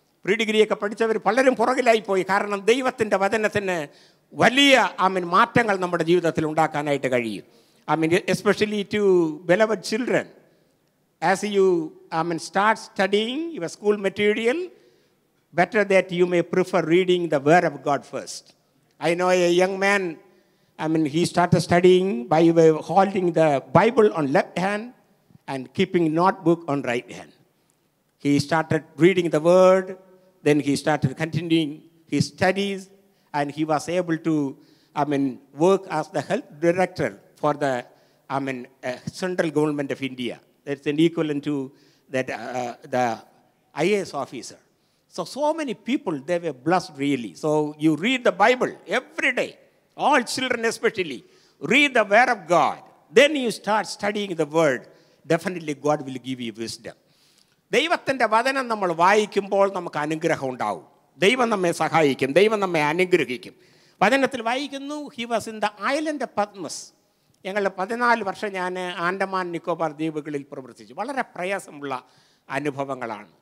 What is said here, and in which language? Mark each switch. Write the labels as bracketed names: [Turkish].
[Malayalam] Pre ഡിഗ്രിയൊക്കെ പഠിച്ചവർ പലരും പുറകിലായിപ്പോയി. കാരണം ദൈവത്തിൻ്റെ വചനത്തിന് വലിയ ആമീൻ മാറ്റങ്ങൾ നമ്മുടെ ജീവിതത്തിൽ ഉണ്ടാക്കാനായിട്ട് കഴിയും. [English] Amen, especially to beloved children, as you amen start studying your school material, better that you may prefer reading the word of God first. I know a young man, he started studying by holding the Bible on left hand and keeping notebook on right hand. He started reading the word, then he started continuing his studies, and he was able to work as the health director for the central government of India. That's an equivalent to that the IAS officer. So many people, they were blessed really. So you read the Bible every day, all children especially, read the word of God. Then you start studying the word, definitely God will give you wisdom. [Malayalam] ദൈവത്തിൻ്റെ വചനം നമ്മൾ വായിക്കുമ്പോൾ നമുക്ക് അനുഗ്രഹം ഉണ്ടാവും. ദൈവം നമ്മെ സഹായിക്കും, ദൈവം നമ്മെ അനുഗ്രഹിക്കും. വചനത്തിൽ വായിക്കുന്നു, [English] He was in the island of Patmos. [Malayalam] ഞങ്ങൾ 14 വർഷം ഞാൻ ആൻഡമാൻ നിക്കോബാർ ദ്വീപുകളിൽ പ്രവർത്തിച്ചു. വളരെ പ്രയാസമുള്ള അനുഭവങ്ങളാണ്.